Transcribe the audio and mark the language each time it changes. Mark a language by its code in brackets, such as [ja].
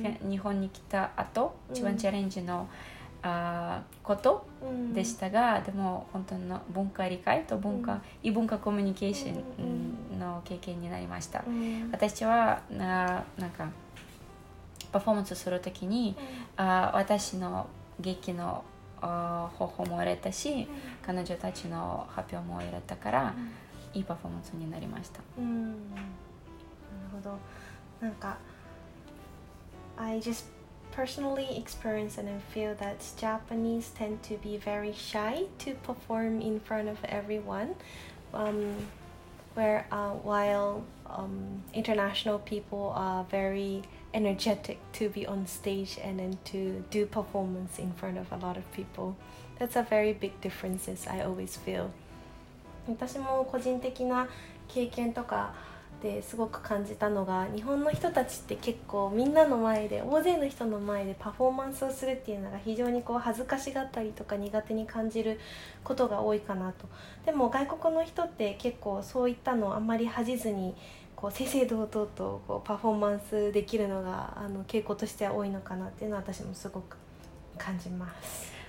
[ja] 日本に来た後一番チャレンジのことでしたが、でも本当の文化理解と文化、異文化コミュニケーションの経験になりました。私はなんかパフォーマンスするときに、私の劇の方法も入れたし、彼女たちの発表も入れたから、いいパフォーマンスになりました。なるほど。 [en] なんか I just personally experience and I feel that Japanese tend to be very shy to perform in front of everyone, while international people are very energetic to be on stage and then to do performance in front of a lot of people. That's a very big difference, I always feel. [ja] 私も個人的な経験とかですごく感じたのが、日本の人たちって結構みんなの前で、大勢の人の前でパフォーマンスをするっていうのが非常にこう恥ずかしがったりとか苦手に感じることが多いかなと。でも外国の人って結構そういったのをあんまり恥じずに、こう正々堂々とこうパフォーマンスできるのが傾向としては多いのかなっていうのは私もすごく感じます。